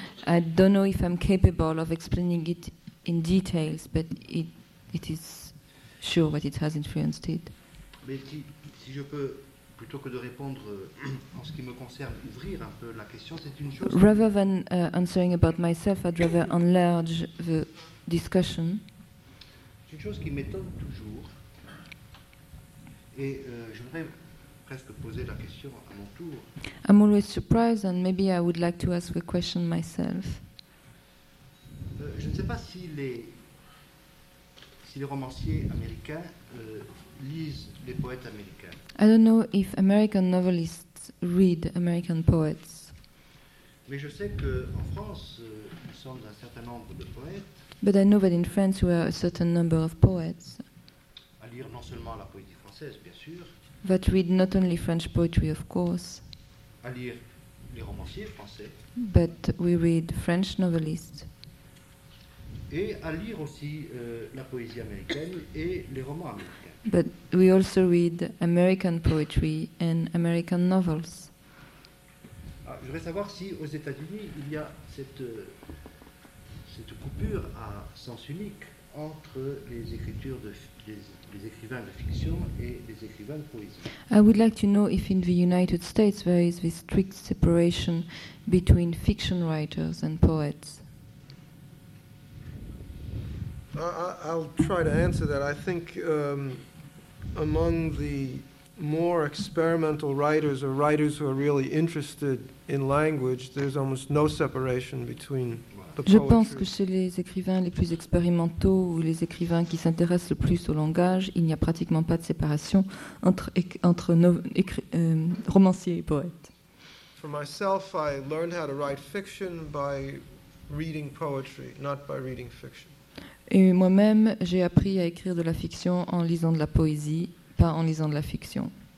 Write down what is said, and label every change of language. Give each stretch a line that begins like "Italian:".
English: I don't know if I'm capable of explaining it in details, but it is sure that it has influenced it.
French: Mais si je peux, plutôt que de répondre en ce qui me concerne, ouvrir un peu la question, c'est une chose.
English: Rather than answering about myself, I'd rather enlarge the discussion.
French: C'est une chose qui m'étonne toujours. Et j'aimerais presque poser la question à mon tour.
English: I'm always surprised, and maybe I would like to ask the question myself.
French: Je ne sais pas si les romanciers américains lisent les poètes américains.
English: I don't know if American novelists read American poets.
French: Mais je sais qu'en France, nous sommes un certain nombre de poètes.
English: But I know that in France, we are a certain number of poets.
French: À lire non seulement la poésie. Bien sûr.
English: That read not only French poetry, of course,
French: à lire les romanciers français,
English: but we read French novelists.
French: Et à lire aussi la poésie américaine et les romans américains.
English: But we also read American poetry and American novels.
French: Ah, je voudrais savoir si aux États-Unis il y a cette coupure à sens unique entre les écritures de les écrivains de fiction et les écrivains de poésie.
English: I would like to know if in the United States there is this strict separation between fiction writers and poets. I'll try to answer that. I think among the more experimental writers or writers who are really interested in language, there's almost no separation between.
French: Je pense que chez les écrivains les plus expérimentaux ou les écrivains qui s'intéressent le plus au langage, il n'y a pratiquement pas de séparation entre romanciers et poètes.
English: For myself, I learned how to write fiction by reading poetry, not by reading fiction.
French: Et moi-même, j'ai appris à écrire de la fiction en lisant de la poésie, pas en lisant de la fiction.